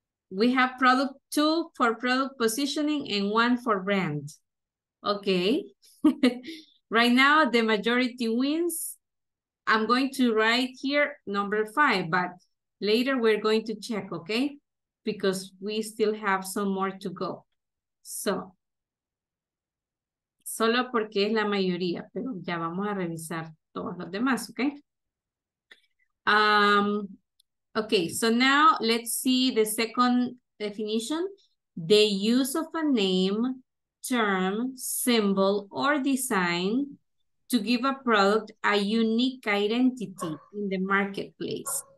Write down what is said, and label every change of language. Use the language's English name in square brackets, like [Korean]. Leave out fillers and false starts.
[English] We have product two for product positioning and one for brand. Okay. Right now, the majority wins. I'm going to write here number five, but later we're going to check, okay? Because we still have some more to go. [Spanish] So, solo porque es la mayoría, pero ya vamos a revisar todos los demás, ¿ok? [English] Okay, so now let's see the second definition. The use of a name, term, symbol, or design to give a product a unique identity in the marketplace.